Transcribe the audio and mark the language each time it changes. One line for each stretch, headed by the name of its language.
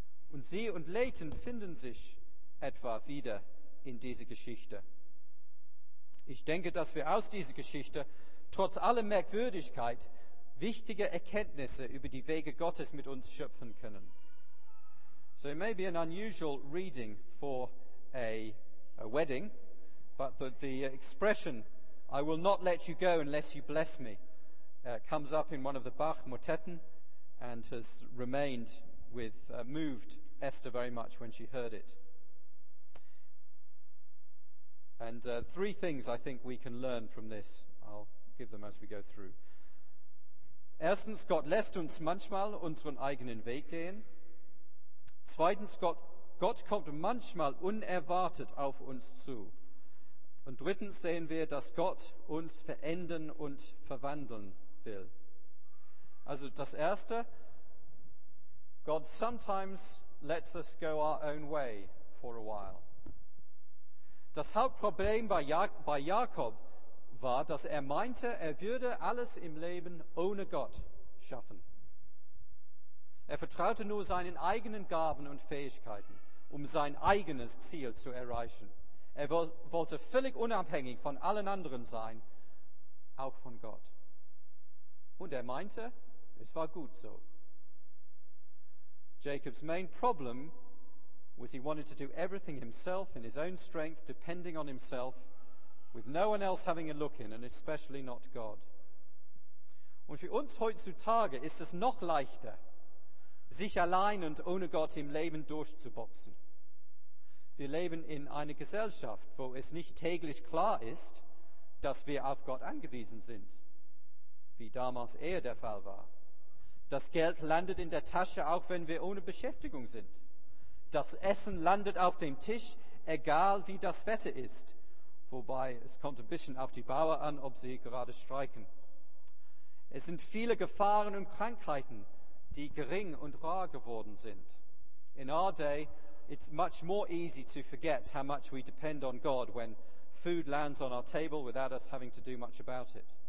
German: Und sie und Leighton finden sich etwa wieder in diese Geschichte. Ich denke, dass wir aus dieser Geschichte trotz aller Merkwürdigkeit wichtige Erkenntnisse über die Wege Gottes mit uns schöpfen können.
English: So it may be an unusual reading for a wedding, but the expression, I will not let you go unless you bless me, comes up in one of the Bach motetten and has remained with moved Esther very much when she heard it. And three things I think we can learn from this. I'll give them as we go through.
German: Erstens, Gott lässt uns manchmal unseren eigenen Weg gehen. Zweitens, Gott kommt manchmal unerwartet auf uns zu. Und drittens sehen wir, dass Gott uns verändern und verwandeln will. Also das Erste,
English: God sometimes lets us go our own way for a while.
German: Das Hauptproblem bei Jakob war, dass meinte, würde alles im Leben ohne Gott schaffen. Vertraute nur seinen eigenen Gaben und Fähigkeiten, sein eigenes Ziel zu erreichen. Wollte völlig unabhängig von allen anderen sein, auch von Gott. Und meinte, es gut so.
English: Jacob's main problem was he wanted to do everything himself in his own strength, depending on himself, with no one else having a look in, and especially not God.
German: Und für uns heutzutage ist es noch leichter, sich allein und ohne Gott im Leben durchzuboxen. Wir leben in einer Gesellschaft, wo es nicht täglich klar ist, dass wir auf Gott angewiesen sind, wie damals der Fall war. Das Geld landet in der Tasche, auch wenn wir ohne Beschäftigung sind. Das Essen landet auf dem Tisch, egal wie das Wetter ist. Wobei, es kommt ein bisschen auf die Bauern an, ob sie gerade streiken. Es sind viele Gefahren und Krankheiten, die gering und rar geworden sind.
English: In our day, it's much more easy to forget how much we depend on God when food lands on our table without us having to do much about it.